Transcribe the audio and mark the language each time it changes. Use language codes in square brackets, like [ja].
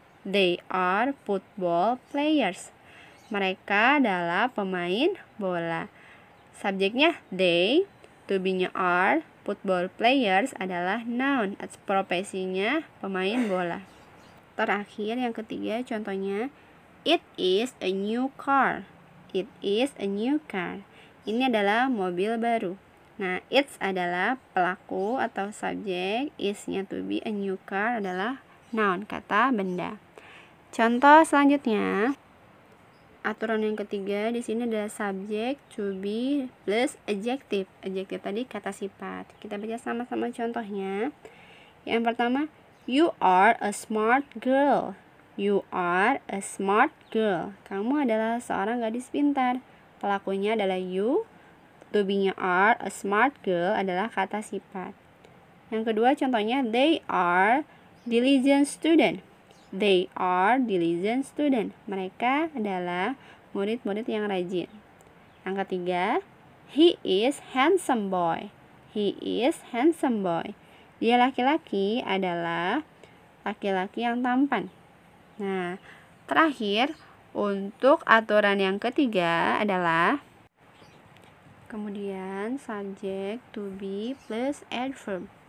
[en] They are football players. [id] Mereka adalah pemain bola. Subjeknya they, to be-nya are. Football players adalah noun, profesinya pemain bola. Terakhir, yang ketiga, contohnya, [en] it is a new car. It is a new car. [id] Ini adalah mobil baru. Nah, it's adalah pelaku atau subjek, is-nya to be a new car adalah noun, kata benda. Contoh selanjutnya, aturan yang ketiga di sini adalah subject to be plus adjective. Adjective tadi kata sifat. Kita baca sama-sama contohnya. Yang pertama, [en] you are a smart girl. You are a smart girl. [id] Kamu adalah seorang gadis pintar. Pelakunya adalah you. To be-nya are a smart girl adalah kata sifat. Yang kedua contohnya, [en] they are diligent student. They are diligent student. [id] Mereka adalah murid-murid yang rajin. Yang ketiga, [en] he is handsome boy. He is handsome boy. [id] Dia laki-laki adalah laki-laki yang tampan. Nah, terakhir untuk aturan yang ketiga adalah kemudian subject to be plus adverb.